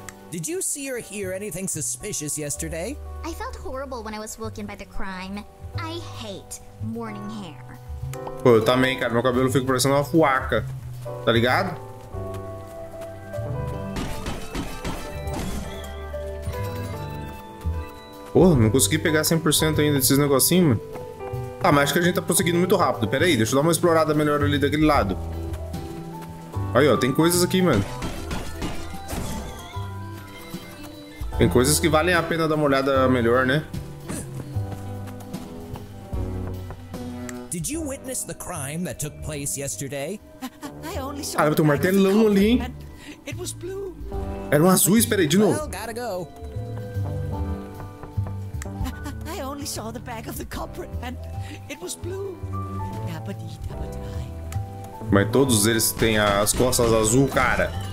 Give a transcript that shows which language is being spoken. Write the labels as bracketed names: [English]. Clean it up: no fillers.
[English] Did you see or hear anything suspicious yesterday? I felt horrible when I was woken by the crime. I hate morning hair. [Portuguese] Pô, eu também, cara. Meu cabelo fica parecendo uma fuaca. Tá ligado? Porra, não consegui pegar 100% ainda desses negocinhos, mano. Tá, mas acho que a gente tá prosseguindo muito rápido. Pera aí, deixa eu dar uma explorada melhor ali daquele lado. Aí, ó, tem coisas aqui, mano. Tem coisas que valem a pena dar uma olhada melhor, né? [English] Did you witness the crime that took place yesterday? I only saw. [Portuguese] Caramba, tem um martelão ali, hein? [English] It was blue. [Portuguese] Era um azul, espera aí, de novo. [English] Well, gotta go. I only saw the bag of the culprit and it was blue. [Portuguese] Mas todos eles têm as costas azul, cara.